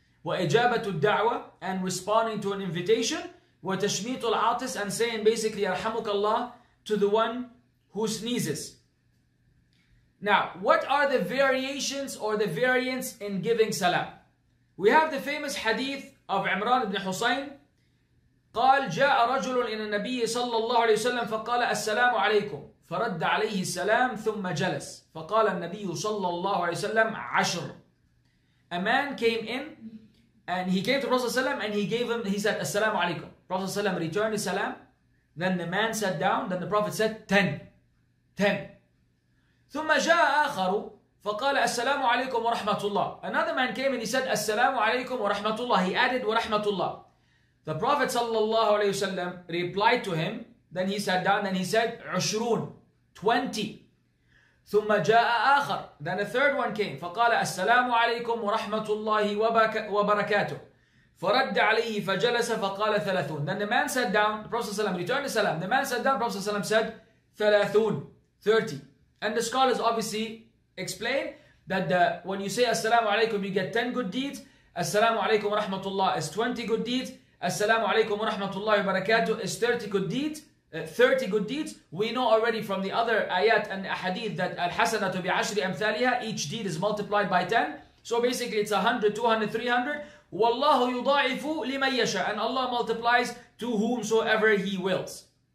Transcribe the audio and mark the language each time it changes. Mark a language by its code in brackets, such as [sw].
[ar] وإجابة الدعوة, [en] and responding to an invitation. [ar] وتشميت العاطس, [en] and saying basically [ar] أرحمك الله [en] to the one who sneezes. Now, what are the variations or the variants in giving salam? We have the famous hadith of Imran ibn Husayn. [ar] قال جاء رجل إلى النبي صلى الله عليه وسلم فقال السلام عليكم فرد عليه السلام ثم جلس فقال النبي صلى الله عليه وسلم عشر. [en] A man came in and he came to Prophet ﷺ and he said, Assalamu alaikum. Prophet ﷺ returned his salam. Then the man sat down. Then the Prophet said, 10. 10. [ar] ثم جاء آخر فقال السلام عليكم ورحمة الله. [en] Another man came and he said, Assalamu alaikum [ar] ورحمة الله. [en] He added, ورحمة الله. The Prophet ﷺ replied to him. Then he sat down and he said, عشرون. 20. [ar] ثم جاء آخر. [en] Then a third one came. [ar] فقال السلام عليكم ورحمة الله وبركاته. فرد عليه فجلس فقال ثلاثون. [en] Then the man sat down. The Prophet ﷺ returned the salam. The man sat down. Prophet ﷺ said ثلاثون. 30. And the scholars obviously explain that when you say السلام عليكم, you get 10 good deeds. [ar] السلام عليكم ورحمة الله [en] is 20 good deeds. [ar] السلام عليكم ورحمة الله وبركاته [en] is 30 good deeds. 30 good deeds. We know already from the other ayat and hadith that [ar] al-hasanatu bi'ashri amthaliha, [en] each deed is multiplied by 10. So basically it's 100, 200, 300. [ar] Wallahu yudaifu liman yasha, [en] and Allah multiplies to whomsoever He wills.